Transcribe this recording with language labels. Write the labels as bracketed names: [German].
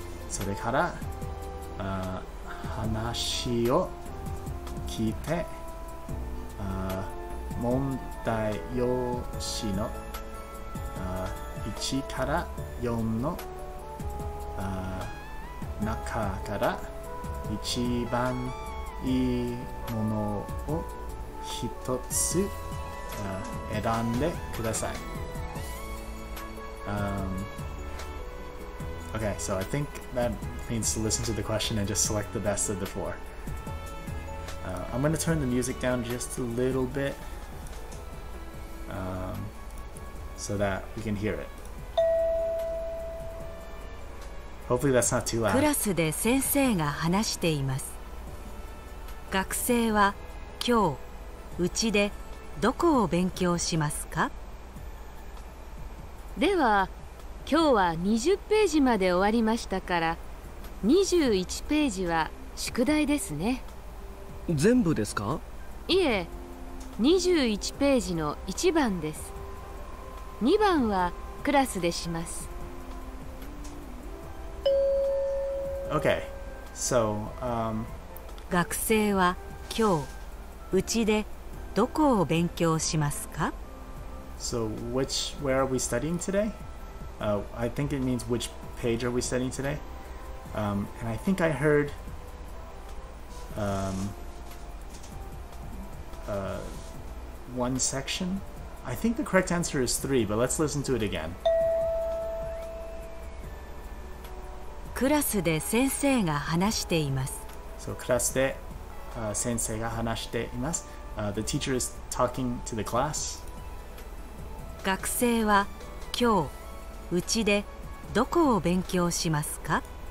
[Japanese] それから話を聞いて問題用紙の1から4の中から一番いいものを一つ選んでください。 [English] Okay, so I think that means to listen to the question and just select the best of the four. I'm going to turn the music down just a little bit, so that we can hear it. Hopefully that's not too loud. [Japanese] クラスで先生が話しています。学生は今日、うちでどこを勉強しますか？では、今日は20ページまで終わりましたから、21ページは宿題ですね。全部ですか？いえ、21ページの1番です。 2番はクラスでします。 [English] Okay, so, [Japanese] 学生は今日、うちでどこを勉強しますか？ [English] So, where are we studying today? I think it means which page are we studying today? And I think I heard one section. I think the correct answer is 3, but let's listen to it again. [Japanese] クラスで先生が話しています。 So, クラスで先生が話しています。 [English] The teacher is talking to the class. [Japanese] 学生は今日、うちでどこを勉強しますか？